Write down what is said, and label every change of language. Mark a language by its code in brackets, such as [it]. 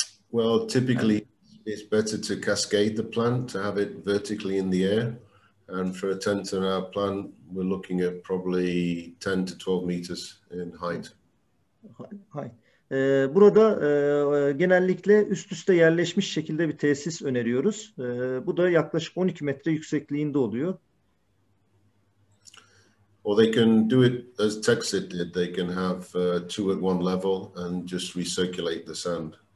[en] Well, typically it's better to cascade the plant to have it vertically in the air. And for a 10-ton-hour plant, we're looking at probably 10 to 12 meters in height. [tr] Burada genellikle üst üste yerleşmiş şekilde bir tesis öneriyoruz. Bu da yaklaşık 12 metre yüksekliğinde oluyor. [en] Or they can do it as Texit did. They can have two at one level and just recirculate the sand.